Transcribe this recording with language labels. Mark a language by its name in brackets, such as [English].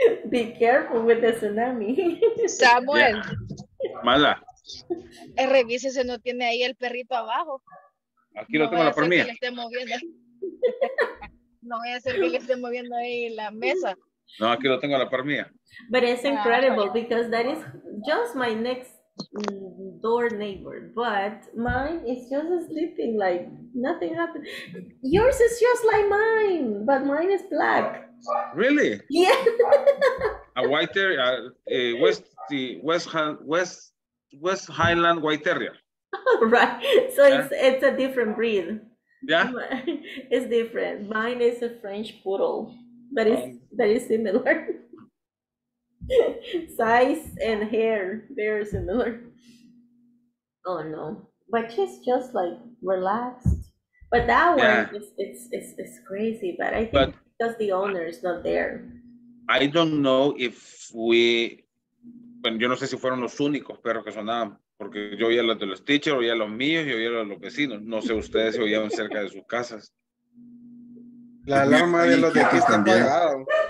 [English] Be careful with the tsunami. Samuel. Yeah. Mala. [Spanish] Revise si no tiene ahí el perrito abajo. Aquí lo tengo la por mí. No voy a hacer que le esté moviendo ahí la mesa. No, aquí lo tengo a la par mía. [English] But it's incredible because that is just my next door neighbor. But mine is just sleeping like nothing happened. Yours is just like mine, but mine is black. Really? Yeah. A white terrier, West Highland White Terrier. Right. So yeah. It's a different breed. Yeah, it's different. Mine is a French poodle, but it's very similar. Size and hair, very similar. Oh no, but she's just like relaxed. But that one, it's crazy. But I think but because the owner is not there. I don't know if we. [Spanish] Bueno, yo no sé si fueron los únicos perros que sonaban. Porque yo oía los de los teachers, oía los míos y oía los de los vecinos. No sé ustedes si oían cerca de sus casas. La alarma de los de aquí está apagada.